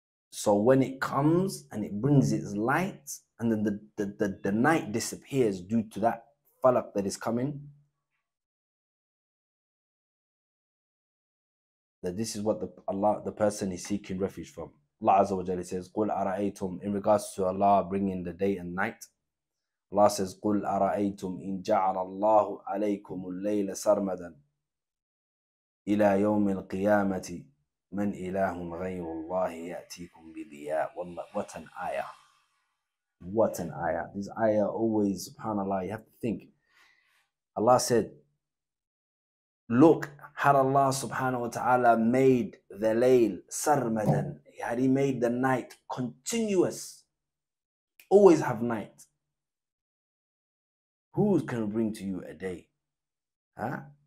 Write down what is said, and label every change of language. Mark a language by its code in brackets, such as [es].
[en] So when it comes and it brings its light, and then the night disappears due to that Falaq that is coming, that this is what the person is seeking refuge from. Allah Azza wa Jalla says, [ar] قُلْ أَرَأَيْتُمْ, [en] in regards to Allah bringing the day and night, Allah says, [ar] قُلْ أَرَأَيْتُمْ إِن جَعَلَ اللَّهُ عَلَيْكُمُ اللَّيْلَ سَرْمَدًا إِلَى يَوْمِ الْقِيَامَةِ مَنْ إِلَاهٌ غَيْرُ اللَّهِ يَأْتِيكُمْ بِضِيَاءٍ. [en] What an ayah. What an ayah. This ayah always, subhanAllah, you have to think. Allah said, look, had Allah subhanahu wa ta'ala made the layl sarmadan, had He made the night continuous, always have night, who's going to bring to you a day? Huh?